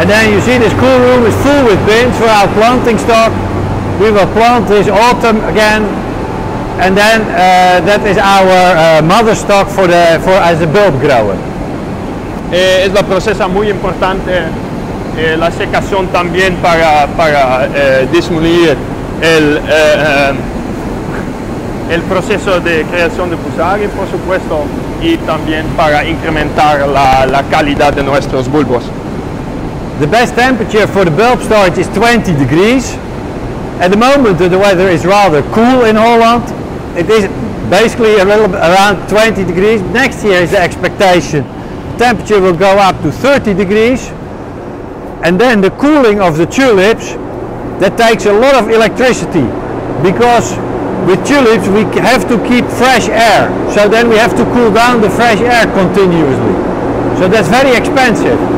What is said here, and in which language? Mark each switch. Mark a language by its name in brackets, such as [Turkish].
[English] And then you see this cool room is full with bins for our planting stock. We will plant this autumn again. And then that is our mother stock as a bulb grower. [Spanish] Es la procesa muy importante. La secación también para disminuir el proceso de creación de pulsares, por supuesto, y también para incrementar la calidad de nuestros bulbos. [English] The best temperature for the bulb storage is 20 degrees. At the moment, the weather is rather cool in Holland. It is basically a little around 20 degrees. Next year is the expectation. The temperature will go up to 30 degrees. And then the cooling of the tulips, that takes a lot of electricity, because with tulips we have to keep fresh air, so then we have to cool down the fresh air continuously, so that's very expensive.